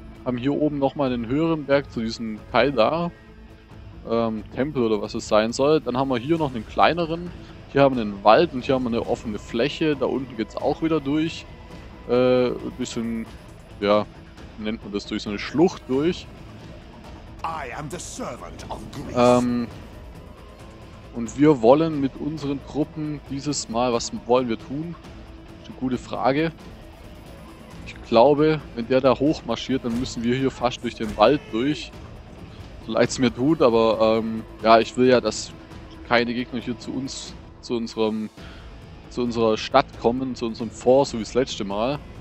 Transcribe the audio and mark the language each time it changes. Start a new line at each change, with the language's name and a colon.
German: Haben hier oben nochmal einen höheren Berg zu diesem Teil da. Tempel oder was es sein soll. Dann haben wir hier noch einen kleineren. Hier haben wir einen Wald und hier haben wir eine offene Fläche. Da unten geht es auch wieder durch. Durch so ein, ja, wie nennt man das? Durch so eine Schlucht durch.
English: I am the servant of Greece.
German: Und wir wollen mit unseren Truppen dieses Mal, was wollen wir tun? Ist eine gute Frage. Ich glaube, wenn der da hochmarschiert, dann müssen wir hier fast durch den Wald durch. So leid es mir tut, aber ja, ich will ja, dass keine Gegner hier zu uns, zu unserer Stadt kommen, zu unserem Fort, so wie das letzte Mal.